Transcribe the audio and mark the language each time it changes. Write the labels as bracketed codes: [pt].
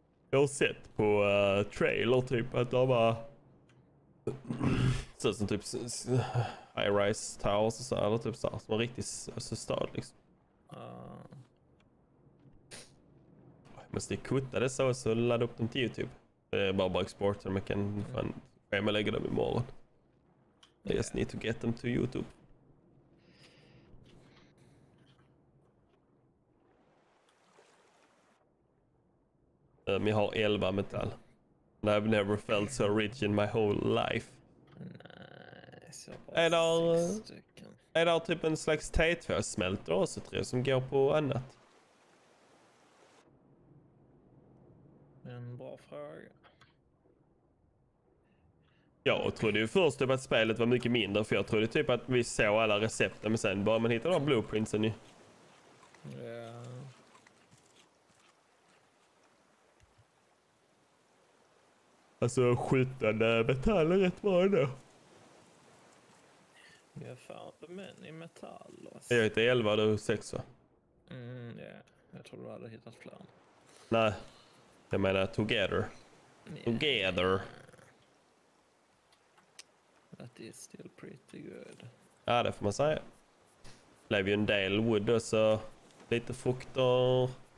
[sv] Jag har sett på trailer typ att de bara... Så som typ high rise towers och så här, eller typ så här, som en riktig så stad liksom. Jag måste kutta det så och ladda upp dem till YouTube. Det är bara export dem, jag kan fan schemalägga dem imorgon. [en] I just need to get them to YouTube. [sv] Vi har 11 metall. [en] I've never felt so rich in my whole life. [sv] Nej, så bara 6 stycken. Är det typ en slags T2-smältor också, tror jag, som går på annat? En bra fråga. Jag trodde ju först typ att spelet var mycket mindre, för jag trodde typ att vi såg alla recepten, men sen bara man hittar de blueprintsen ju. Ja. Alltså, skjutande metall är rätt bra då. Vi har found men i metall. Alltså. Jag hittade 11, du 6 va? Ja. Yeah. Jag tror du hade hittat fler. Nej. Jag menar together. [en] Yeah. Together. That is still pretty good. [sv] Ja, det får man säga. Det blev ju en del wood och så lite fukt och...